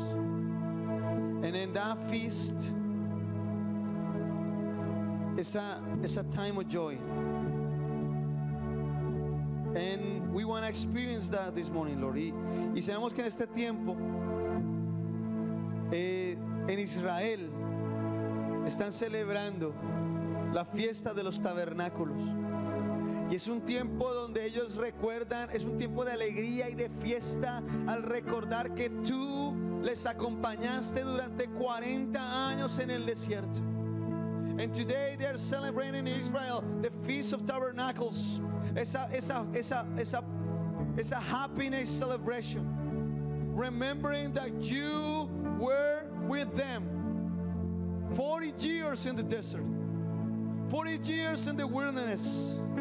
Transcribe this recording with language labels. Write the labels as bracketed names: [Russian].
[English] And in that feast, it's a time of joy. And we want to experience that this morning, Lord. [Spanish] Y sabemos que en este tiempo, en Israel, están celebrando la fiesta de los tabernáculos. Y es un tiempo donde ellos recuerdan, es un tiempo de alegría y de fiesta al recordar que tú les acompañaste durante 40 años en el desierto. [English] And today they are celebrating in Israel the Feast of Tabernacles. It's a happiness celebration. Remembering that you were with them 40 years in the desert, 40 years in the wilderness.